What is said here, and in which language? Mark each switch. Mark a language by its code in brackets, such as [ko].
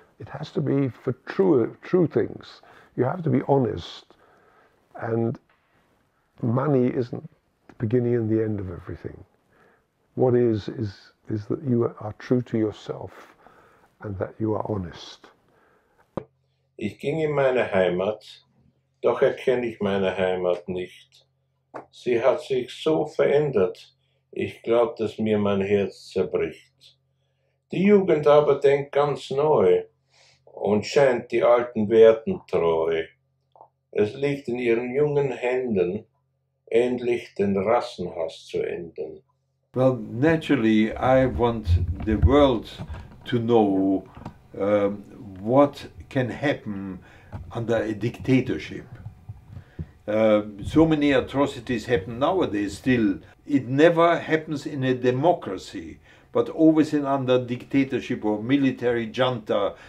[en] It has to be for true things. You have to be honest. And money isn't the beginning and the end of everything. What is that you are true to yourself and that you are honest. [de] Ich ging in meine Heimat, doch erkenne ich meine Heimat nicht. Sie hat sich so verändert, ich glaub, dass mir mein Herz zerbricht. Die Jugend aber denkt ganz neu und scheint die alten Werten treu. Es liegt in ihren jungen Händen, endlich den Rassenhass zu enden. [en] Well, naturally, I want the world to know what can happen under a dictatorship. So many atrocities happen nowadays still. It never happens in a democracy, but always in under dictatorship or military junta.